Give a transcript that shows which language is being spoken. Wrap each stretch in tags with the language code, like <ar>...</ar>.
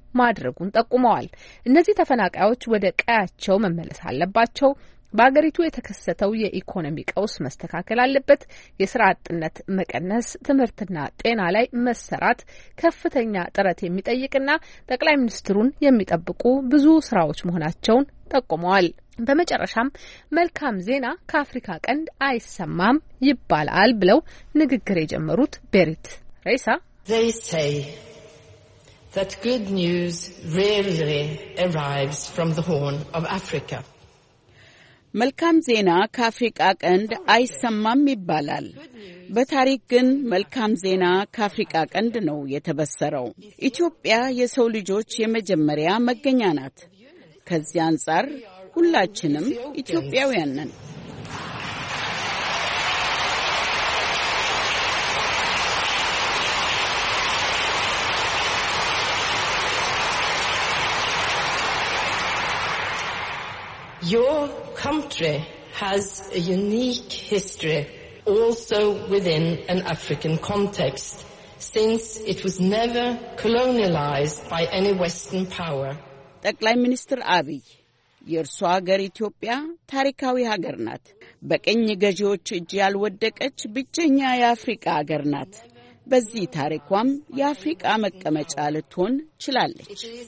<am>ማድረጉን ጠቁመዋል። እነዚህ ተፈናቃዮች ወደ ቀያቸው መመለስ አለባቸው። በአገሪቱ የተከሰተው የኢኮኖሚ ቀውስ መስተካከል አለበት። የስራ አጥነት መቀነስ፣ ትምህርትና ጤና ላይ መሰራት ከፍተኛ ጥረት የሚጠይቅና ጠቅላይ ሚኒስትሩን የሚጠብቁ ብዙ ስራዎች መሆናቸውን ጠቁመዋል። በመጨረሻም መልካም ዜና ከአፍሪካ ቀንድ አይሰማም ይባላል ብለው ንግግር የጀመሩት ቤሪት ሬሳ</am> <en>They say that good news rarely arrives from the Horn of Africa.</en> <am>መልካም ዜና ከአፍሪካ ቀንድ አይሰማም ይባላል። በታሪክ ግን መልካም ዜና ከአፍሪካ ቀንድ ነው የተበሰረው። ኢትዮጵያ የሰው ልጆች የመጀመሪያ መገኛ ናት። ከዚህ አንጻር ሁላችንም ኢትዮጵያውያን ነን።</am> <en>Country has a unique history also within an African context since it was never colonized by any Western power.</en> <am>ጠቅላይ ሚኒስትር አብይ የርሶ ሀገር ኢትዮጵያ ታሪካዊ ሀገር ናት። በቀኝ ገዢዎች እጅ ያልወደቀች ብቸኛ የአፍሪካ ሀገር ናት። በዚህ ታሪኳም የአፍሪካ መቀመጫ ልትሆን ችላለች።</am>